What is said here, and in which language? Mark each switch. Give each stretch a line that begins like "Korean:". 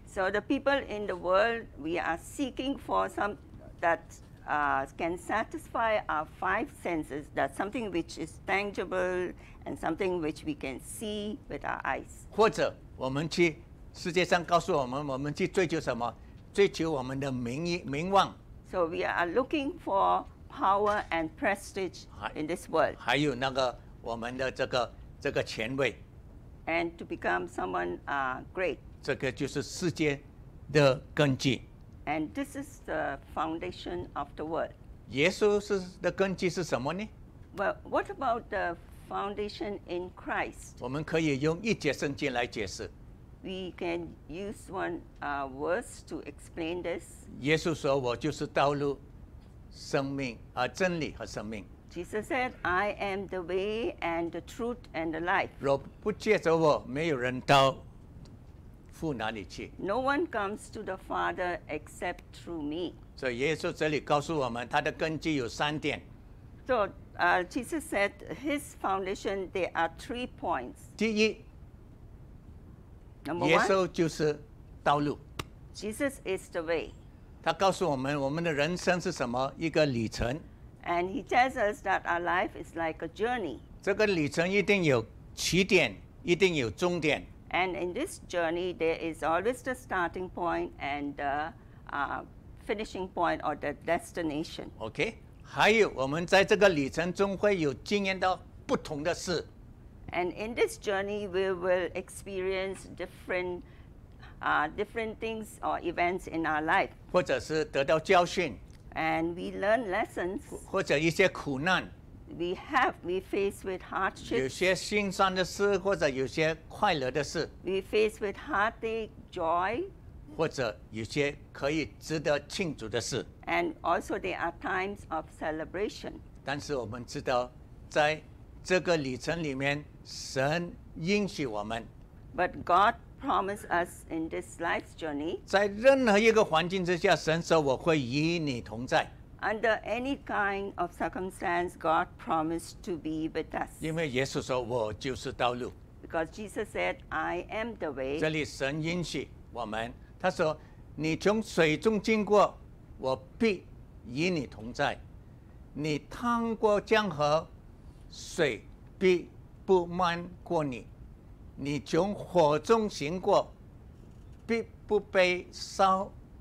English: So the people in the world, we are seeking for some that can satisfy our five senses. That something which is tangible and something which we can see with our eyes.
Chinese: 或者我们去世界上告诉我们，我们去追求什么？追求我们的名望。
English: So we are looking for. Power and prestige in this world.
Chinese: 还有那个我们的这个权位。
English: And to become someone great.
Chinese: 这个就是世界的根基。
English: And this is the foundation of the world.
Chinese: 耶稣是的根基是什么呢？
English: Well, what about the foundation in Christ?
Chinese: 我们可以用一节圣经来解释。
English: We can use one verse to explain this.
Chinese: 耶稣说我就是道路。生命啊，真理和生命。
English: Jesus said, "I am the way and the truth and the life."
Chinese: 若不借着我，没有人到父哪里去。
English: No one comes to the Father except through me.
Chinese: 所以耶稣这里告诉我们，他的根基有三点。
English: So, Jesus said his foundation, there are three points.
Chinese: 第一，
English: Number one,
Chinese: 耶稣就是道路。
English: Jesus is the way.
Chinese: 他告诉我们，我们的人生是什么？一个旅程。
English: And he tells us that our life is like a journey.
Chinese: 这个旅程一定有起点，一定有终点。
English: And in this journey, there is always the starting point and the finishing point or the destination. Okay.
Chinese: 还有，我们在这个旅程中会有经验到不同的事。
English: And in this journey, we will experience different things or events in our life.
Chinese: 或者是得到教训。
English: And we learn lessons.
Chinese: 或者一些苦难。
English: We face with hardships.
Chinese: 有些心酸的事，或者有些快乐的事。
English: We face with heartache, joy.
Chinese: 或者有些可以值得庆祝的事。
English: And also there are times of celebration.
Chinese: 但是我们知道，在这个旅程里面，神应许我们。
English: But God promised us in this life's journey.
Chinese: 在任何一个环境之下，神说我会与你同在。
English: Under any kind of circumstance, God promised to be with us.
Chinese: 因为耶稣说，我就是道路。
English: Because Jesus said, I am the way.
Chinese: 这里神应许我们，他说，你从水中经过，我必与你同在；你趟过江河，水必不漫过你；你从火中行过，必不被烧。